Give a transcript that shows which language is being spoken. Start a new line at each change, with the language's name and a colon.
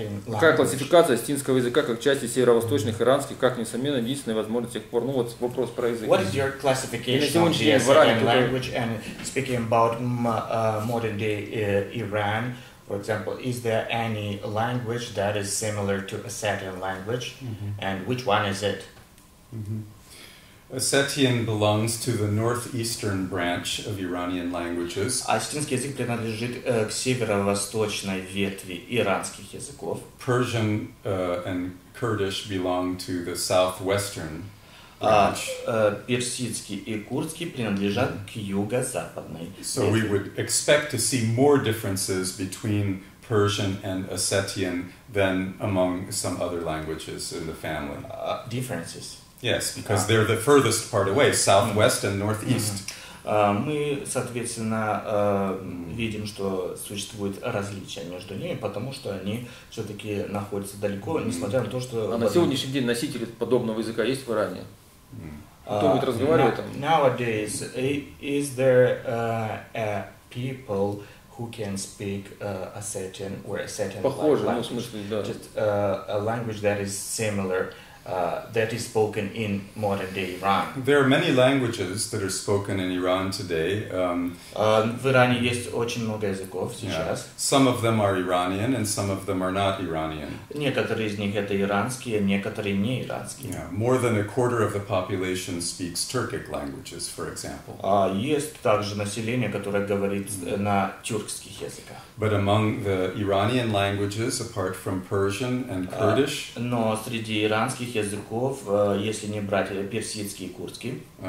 Russian: Какая классификация остинского языка как части северо-восточных иранских, как несомненно, единственная возможность тех пор? Ну, вот вопрос про язык.
English: What is your classification of the Iranian language and speaking about modern-day Iran? For example, is there any language that is similar to Ossetian language? And which one is it? Ossetian belongs to the northeastern branch of Iranian languages.
Russian: Осетинский язык принадлежит к северо-восточной ветви иранских языков.
English: Persian and Kurdish belong to the southwestern branch.
Russian: Персидский и курдский принадлежат к юго-западной ветви.
English: So we would expect to see more differences between Persian and Ossetian than among some other languages in the family. Differences. Yes, because they're the furthest part away, southwest and northeast.
Russian: Мы, соответственно, видим, что существует различие между ними, потому что они все-таки находятся далеко, несмотря на то, что... А на сегодняшний день носители подобного языка есть в Иране? Кто будет разговаривать там?
English: Nowadays, is there a people who can speak Ossetian or Ossetian language?
Russian: Похоже, ну, в смысле, да.
English: Just a language that is similar... that is spoken in modern-day Iran. There are many languages that are spoken in Iran today.
Russian: В Иране есть очень много языков сейчас.
English: Yeah. Some of them are Iranian and some of them are not Iranian.
Russian: Некоторые из них это иранские, некоторые не иранские.
English: Yeah. More than a quarter of the population speaks Turkic languages, for example.
Russian: Есть также население, которое говорит на тюркских языках.
English: But among the Iranian languages, apart from Persian and Kurdish,
Russian: но среди иранских языков, если не брать персидский и курдский,